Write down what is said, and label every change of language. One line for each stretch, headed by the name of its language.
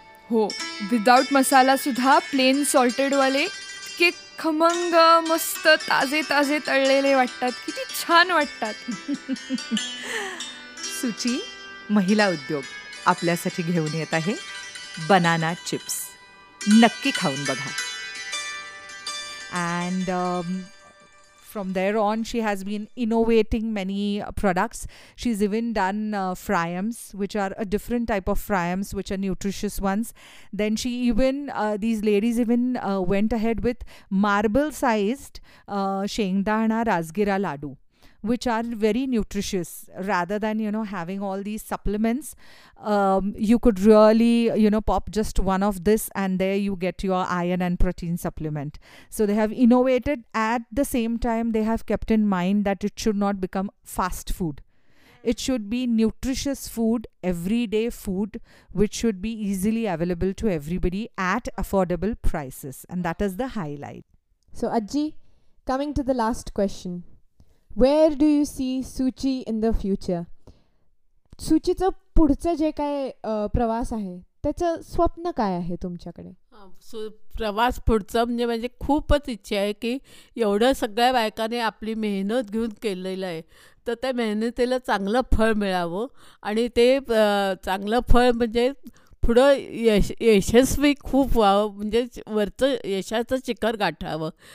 Marathi: हो, विदाउट मसाला सुद्धा plain salted वाले के खमंग मस्त ताजे ताजे तळलेले वाटतात, किती छान वाटतात. सुची महिला उद्योग आपल्यासाठी घेऊन येत आहे बनाना चिप्स, नक्की खाऊन बघा.
English: And from there on she has been innovating many products. She's even done fryams, which are a different type of fryams, which are nutritious ones. Then she even these ladies even went ahead with marble sized shengdana rajgira laddu, which are very nutritious. Rather than, you know, having all these supplements, you could really, you know, pop just one of this and there you get your iron and protein supplement. So they have innovated. At the same time, they have kept in mind that it should not become fast food. It should be nutritious food, everyday food, which should be easily available to everybody at affordable prices. And that is the highlight. So Ajji, coming to the last question. Where do you see Suchi in the future?
Marathi: सुचीचं पुढचं जे काय प्रवास आहे त्याचं स्वप्न काय आहे तुमच्याकडे? प्रवास पुढचं म्हणजे माझी खूपच इच्छा आहे की एवढं सगळ्या बायकाने आपली मेहनत घेऊन केलेलं आहे तर त्या मेहनतीला चांगलं फळ मिळावं, आणि ते चांगलं फळ म्हणजे पुढं यशस्वी खूप व्हावं, म्हणजे वरचं यशाचं शिखर गाठावं.